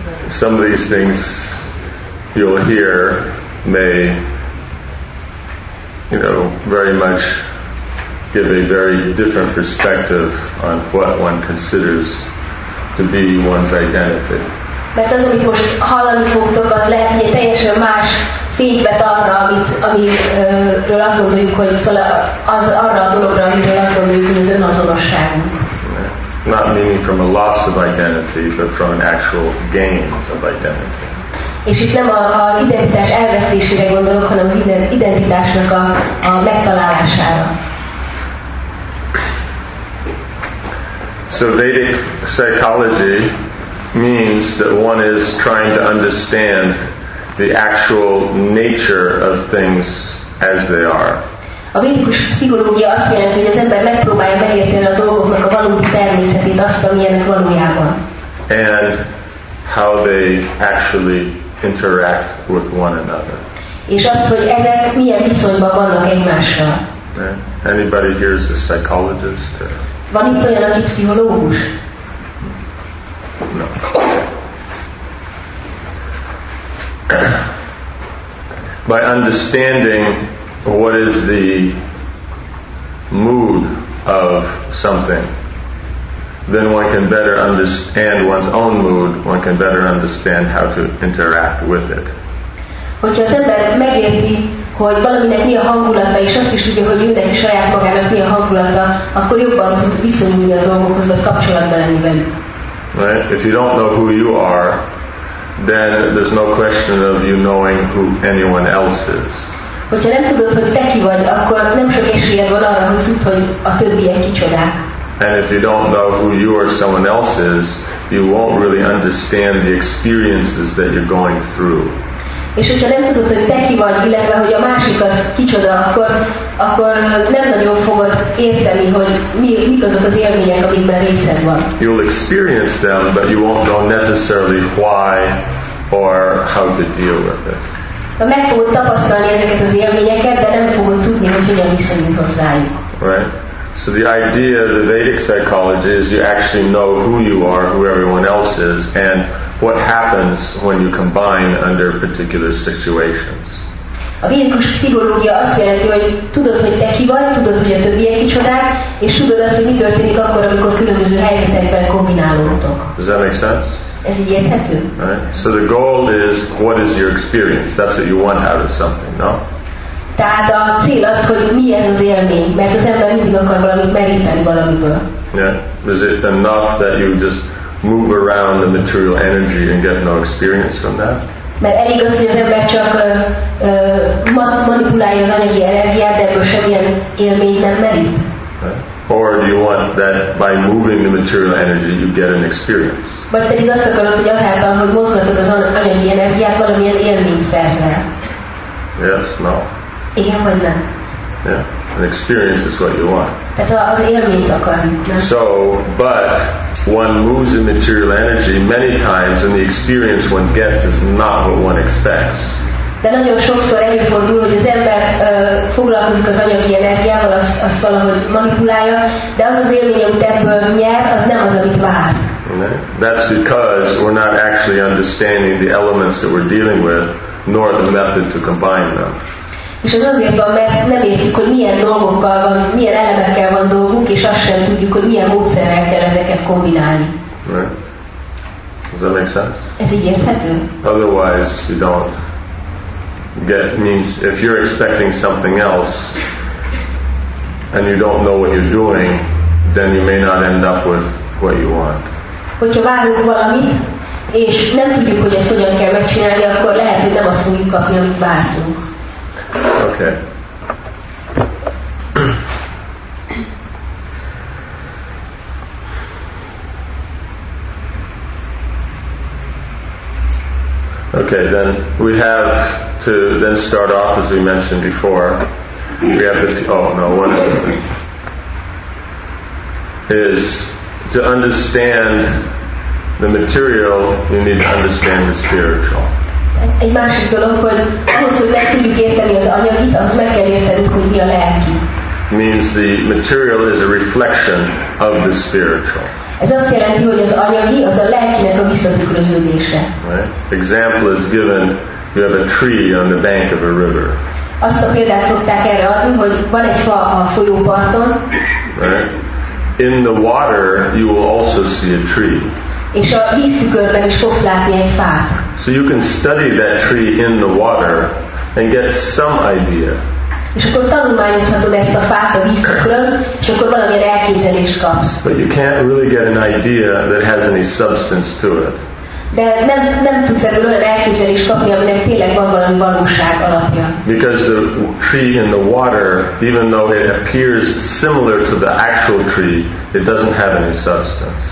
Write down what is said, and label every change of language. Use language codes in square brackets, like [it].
[en] Some of these things you'll hear may, you know, very much give a very different perspective on what one considers to be one's identity. [hu] Mert az, amit most hallani fogtok, az lehet, hogy teljesen más fényben arra, amiről azt gondoljuk, hogy arra a dologra, amiről azt gondoljuk, hogy az önazonosságunk. [en] Not meaning from a loss of identity, but from an actual gain of identity. [hu] És itt nem a identitás elvesztésére gondolok, hanem az identitásnak a megtalálására. [en] So Vedic psychology means that one is trying to understand the actual nature of things as they are. [hu] A védikus pszichológia azt jelenti, hogy az ember megpróbálja megérteni a dolgoknak a valódi természetét, azt, amilyenek valójában. [en] And how they actually interact with one another. [hu] És azt, hogy ezek milyen viszonyban vannak egymással. [en] Yeah. Anybody here is a psychologist? [hu] Van itt olyan, aki pszichológus? [en] No. By understanding what is the mood of something, then one can better understand one's own mood, one can better understand how to interact with it. [hu] Hogyha az ember megérti, hogy valaminek mi a hangulata, és azt is tudja, hogy mindenki saját magának mi a hangulata, akkor jobban tud viszonyulni a dolgokhoz, vagy kapcsolatban lenni velük. Right? [en] If you don't know who you are, then there's no question of you knowing who anyone else is. [hu] Hogyha nem tudod, hogy te ki vagy, akkor nem sok esélyed van arra, hogy tudd, hogy a többiek kicsodák. [en] And if you don't know who you or someone else is, you won't really understand the experiences that you're going through. [hu] És hogyha nem tudod, hogy te ki vagy, illetve hogy a másik az kicsoda, akkor nem nagyon fogod érteni, hogy mik azok az élmények, amikben részed van. [en] You'll experience them, but you won't know necessarily why or how to deal with it. [hu] De meg fogod tapasztalni ezeket az élményeket, de nem fogod tudni, hogy hogyan viszonyul hozzájuk. [en] Right. So the idea of the Vedic psychology is you actually know who you are, who everyone else is, and what happens when you combine under particular situations. [hu] A védikus pszichológia azt jelenti, hogy tudod, hogy te ki vagy, tudod, hogy a többiek kicsodák, és tudod azt, hogy mi történik akkor, amikor különböző helyzetekben kombinálódtok. [en] Does that make sense? [hu] Ez így érthető? [en] Right. So the goal is, what is your experience? That's what you want out of something, no? [hu] Tehát a cél az, hogy mi ez az élmény, mert az ember mindig akar valamit meríteni valamiből. [en] Yeah. Is it enough that you just move around the material energy and get no experience from that? [hu] Mert elég az, hogy az ember csak manipulálja az anyagi energiát, de akkor semmilyen élmény nem merít. [en] Right. Or do you want that by moving the material energy you get an experience? [hu] Vagy pedig azt akarod, hogy azáltal, hogy mozgatod az anyagi energiát, valamilyen élményt szerzel? [en] Yes, no. [hu] Igen, [en] yeah, an experience is what you want. [hu] Tehát az élményt akarjuk. [en] So, but one moves in material energy many times and the experience one gets is not what one expects. [hu] De nagyon sokszor előfordul, hogy az ember foglalkozik az anyagi energiával, azt valahogy manipulálja, de az élmény, amit ebből nyer, az nem az, amit vár. [en] Okay. That's because we're not actually understanding the elements that we're dealing with, nor the method to combine them. [hu] És ez azért van, mert nem értjük, hogy milyen dolgokkal van, milyen elemekkel van dolgunk, és azt sem tudjuk, hogy milyen módszerrel kell ezeket kombinálni. [en] Right. Does that make sense? [hu] Ez így érthető? [en] Otherwise, you don't get, means if you're expecting something else, and you don't know what you're doing, then you may not end up with what you want. [hu] Hogyha várunk valamit, és nem tudjuk, hogy ezt hogyan kell megcsinálni, akkor lehet, hogy nem azt fogjuk kapni, amit vártunk. [en] Okay. Okay, then we have to then start off, as we mentioned before, we have to, is to understand the material, you need to understand the spiritual. [hu] Egy másik dolog, hogy ahhoz, hogy meg tudjuk érteni az anyagit, az meg kell értenünk, hogy mi a lelki. [en] Means the material is a reflection of the spiritual. [hu] Ez azt jelenti, hogy az anyagi, az a lelkinek a visszatükröződése. [en] Right? Example is given, you have a tree on the bank of a river. [hu] Azt a példát szokták erre adni, hogy van egy fa a folyóparton. [en] Right? In the water, you will also see a tree. [hu] És a víztükörben is fogsz látni egy fát. [en] So you can study that tree in the water and get some idea. [hu] És akkor tanulmányozhatod ezt a fát a víztükrön, és akkor valami elképzelést kapsz. [en] But you can't really get an idea that has any substance to it. [hu] De nem tudsz ebből olyan elképzelést kapni, aminek tényleg van valami valóság alapja. [en] Because the tree in the water, even though it appears similar to the actual tree, it doesn't have any substance.